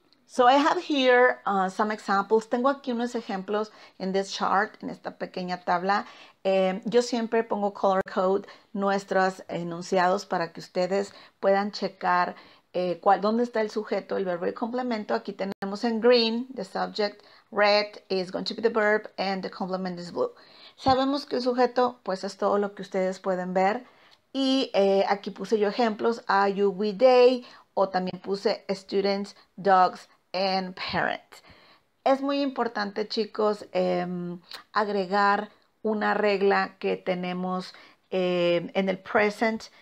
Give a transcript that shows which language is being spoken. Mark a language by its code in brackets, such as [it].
[en] So I have here some examples. [es] Tengo aquí unos ejemplos en [en] this chart, [es] en esta pequeña tabla. Yo siempre pongo [en] color code [es] nuestros enunciados para que ustedes puedan checar dónde está el sujeto, el verbo y el complemento. Aquí tenemos en [en] green the subject, red is going to be the verb and the complement is blue. [es] Sabemos que el sujeto, pues, es todo lo que ustedes pueden ver. Y aquí puse yo ejemplos. [en] Are you, we, they? [es] O también puse [en] students, dogs, and parents. [es] Es muy importante, chicos, agregar una regla que tenemos en el present.